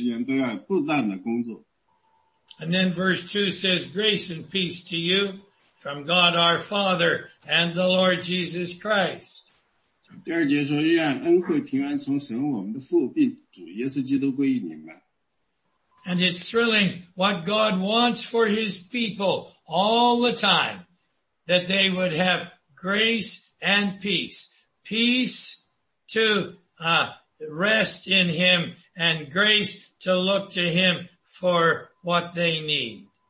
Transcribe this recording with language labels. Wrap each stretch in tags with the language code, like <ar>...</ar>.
<zh>因为这些里面的所有的人呢，都是在圣徒呢，他要为教会里做服事，然后那个执事呢，要把教会里所有的事情，他要去牧养教会的会众，然后仆人呢，他在所有的时间都要不断的工作。</zh> <en>And then verse 2 says, grace and peace to you from God our Father and the Lord Jesus Christ.</en> <zh>第二节说,愿恩惠平安从神我们的父并主耶稣基督归于你们。</zh> <en>And it's thrilling what God wants for his people all the time, that they would have grace and peace. Peace to rest in him and grace to look to him for what they need.</en>